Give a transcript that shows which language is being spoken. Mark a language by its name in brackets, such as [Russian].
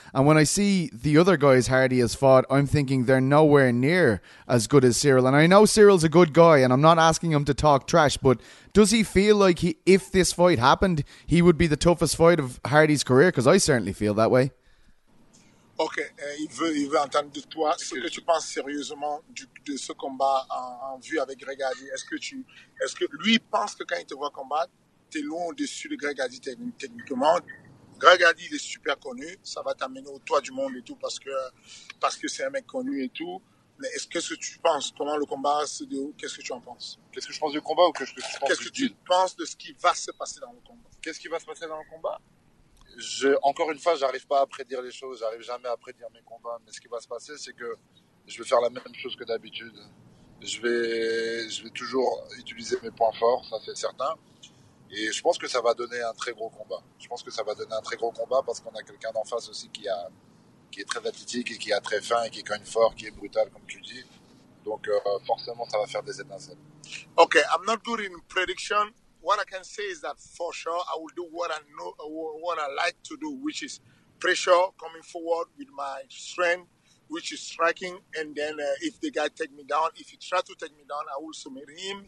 [English] And when I see the other guys Hardy has fought, I'm thinking they're nowhere near as good as Cyril. And I know Cyril's a good guy, and I'm not asking him to talk trash, but does he feel like if this fight happened, he would be the toughest fight of Hardy's career? Because I certainly feel that way. [French] Okay, il veut entendre de toi ce que tu penses sérieusement de ce combat en vue avec Greg Hardy. Est-ce que lui pense que quand il te voit combattre, t'es loin au-dessus de Greg Hardy techniquement. Greg Hardy, il est super connu, ça va t'amener au toit du monde et tout parce que c'est un mec connu et tout. Mais qu'est-ce que tu penses? Comment le combat se déroule? Qu'est-ce que tu en penses? Qu'est-ce que je pense du combat ou qu'est-ce que tu penses? Qu'est-ce que tu penses de ce qui va se passer dans le combat? Qu'est-ce qui va se passer dans le combat? Encore une fois, j'arrive pas à prédire les choses, j'arrive jamais à prédire mes combats, mais ce qui va se passer, c'est que je vais faire la même chose que d'habitude. Je vais toujours utiliser mes points forts, ça c'est certain. Et je pense que ça va donner un très gros combat. Je pense que ça va donner un très gros combat parce qu'on a quelqu'un d'en face aussi qui est très athlétique et qui a très faim et qui cogne fort, qui est brutal, comme tu dis. Donc, forcément, ça va faire des étincelles. [English] Okay, I'm not good in prediction. What I can say is that for sure I will do what I know, what I like to do, which is pressure coming forward with my strength, which is striking. And then if the guy take me down, if he try to take me down, I will submit him.